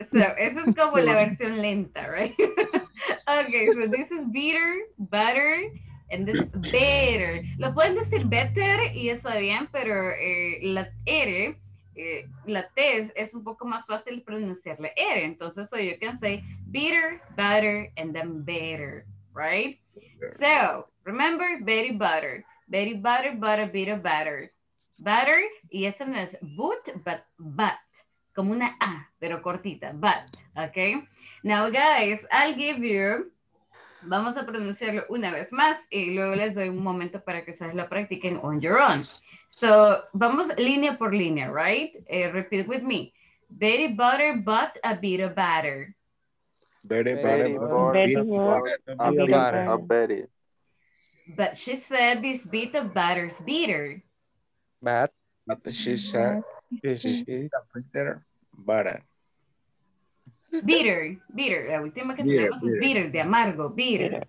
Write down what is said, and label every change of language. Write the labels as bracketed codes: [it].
[es] So, eso es como la versión lenta, right? [en] Okay, so this is bitter, butter, and this better. [es] Lo pueden decir better y está bien, pero la R, la T es un poco más fácil pronunciar la R. [en] Entonces, so you can say bitter, butter, and then better, right? Yeah. So, remember Betty butter. Betty butter bought a bit of butter. [es] Butter, y esa no es boot, but, como una A, pero cortita, but, okay? [en] Now, guys, I'll give you, [es] vamos a pronunciarlo una vez más, y luego les doy un momento para que ustedes lo practiquen [en] on your own. So, [es] vamos línea por línea, [en] right? Repeat with me. Betty butter bought a bit of butter. But she said this bit of butter's bitter. But she said this is a bitter butter. Bitter. [es] La última que tenemos es bitter, de amargo, bitter.